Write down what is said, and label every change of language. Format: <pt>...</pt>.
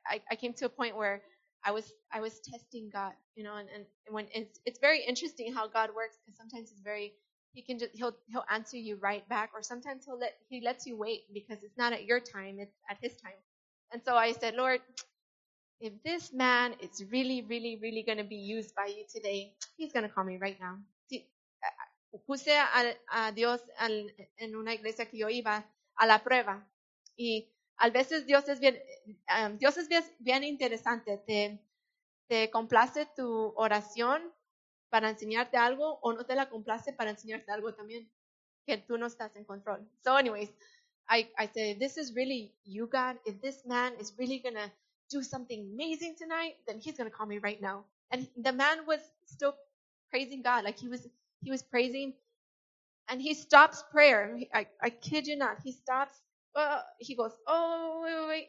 <en>I came to a point where I was testing God, you know, and when it's very interesting how God works, because sometimes he'll answer you right back, or sometimes he lets you wait because it's not at your time, it's at his time. And so I said, Lord, if this man is really, really, really going to be used by you today, he's going to call me right now.</en> <es>Puse a Dios en una iglesia que yo iba a la prueba. Y a veces Dios es bien interesante. Te complace tu oración para enseñarte algo, o no te la complace para enseñarte algo también, que tú no estás en control.</es> <en>So anyways, I said, this is really you, God. If this man is really going to do something amazing tonight, then he's going to call me right now. And the man was still praising God. Like he was praising, and he stops prayer. I kid you not. He stops. Well, he goes, oh, wait.</en>